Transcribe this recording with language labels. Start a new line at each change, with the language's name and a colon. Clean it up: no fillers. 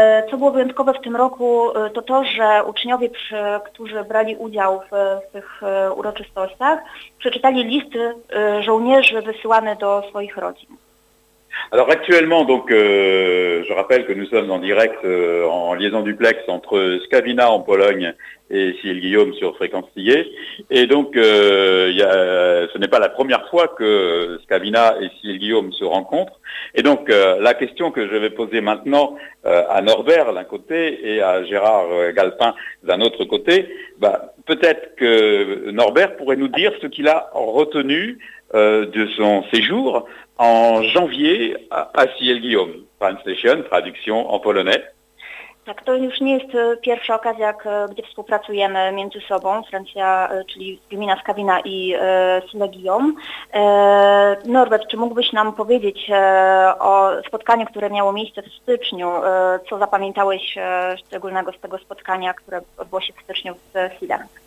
Polish: Co było wyjątkowe w tym roku, to, że uczniowie, którzy brali udział w tych uroczystościach, przeczytali listy żołnierzy wysyłane do swoich rodzin.
French: Alors actuellement, donc, je rappelle que nous sommes en direct en liaison duplex entre Skawina en Pologne et Sillé-Guillaume sur fréquence Sillé. Et donc ce n'est pas la première fois que Skawina et Sillé-Guillaume se rencontrent. Et donc la question que je vais poser maintenant à Norbert d'un côté et à Gérard Galpin d'un autre côté, peut-être que Norbert pourrait nous dire ce qu'il a retenu de son séjour en janvier à Sillé-Guillaume, translation, traduction en polonais.
Polish: Tak, to już nie jest pierwsza okazja, gdzie współpracujemy między sobą, Francja, czyli gmina Skawina i Sillé-Guillaume. Norbert, czy mógłbyś nam powiedzieć o spotkaniu, które miało miejsce w styczniu? Co zapamiętałeś szczególnego z tego spotkania, które odbyło się w styczniu w Sillé?